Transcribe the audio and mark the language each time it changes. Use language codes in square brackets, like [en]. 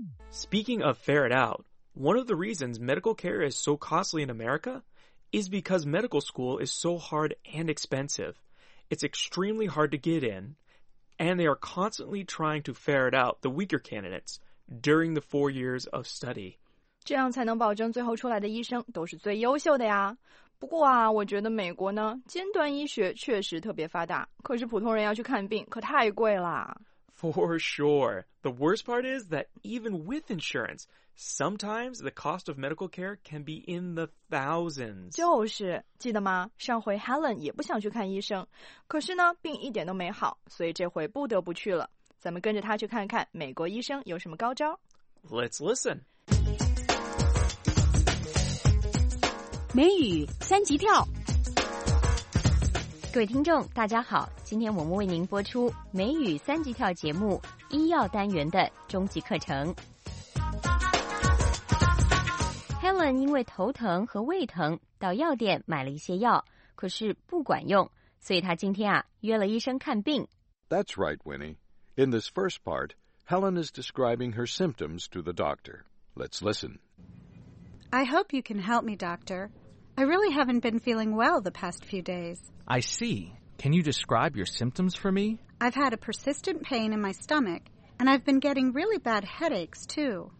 [en] Speaking of ferret out, one of the reasons medical care is so costly in America is because medical school is so hard and expensive. It's extremely hard to get in, and they are constantly trying to ferret out the weaker candidates during the 4 years of study. [zh] 这样才能保证最后出来的医生都是最优秀的呀。不过啊，我觉得美国呢，尖端医学确实特别发达，可是普通人要去看病可太贵了。 [en] For sure. The worst part is that even with insurance, sometimes the cost of medical care can be in the thousands. [zh] 就是，记得吗？上回 Helen 也不想去看医生，可是呢，病一点都没好，所以这回不得不去了。咱们跟着他去看看美国医生有什么高招。 [en] Let's listen. [zh] 美语三级跳。各位听众大家好，今天我们为您播出美语三级跳节目医药单元的终极课程。 Helen 因为头疼和胃疼到药店买了一些药，可是不管用，所以她今天约了医生看病。 [en] That's right, Winnie. In this first part, Helen is describing her symptoms to the doctor. Let's listen. I hope you can help me, doctor. I really haven't been feeling well the past few days. I see. Can you describe your symptoms for me? I've had a persistent pain in my stomach, and I've been getting really bad headaches, too.